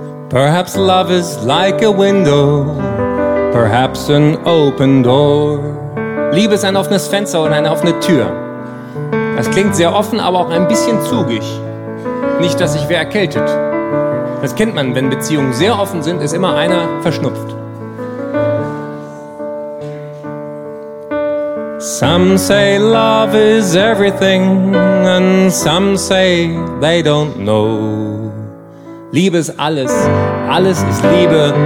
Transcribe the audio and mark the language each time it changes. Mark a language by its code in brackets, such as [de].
[en] Perhaps love is like a window, perhaps an open door. [de] Liebe ist ein offenes Fenster oder eine offene Tür. Das klingt sehr offen, aber auch ein bisschen zugig. Nicht, dass sich wer erkältet. Das kennt man, wenn Beziehungen sehr offen sind, ist immer einer verschnupft. [en] Some say love is everything, and some say they don't know. [de] Liebe ist alles, alles ist Liebe.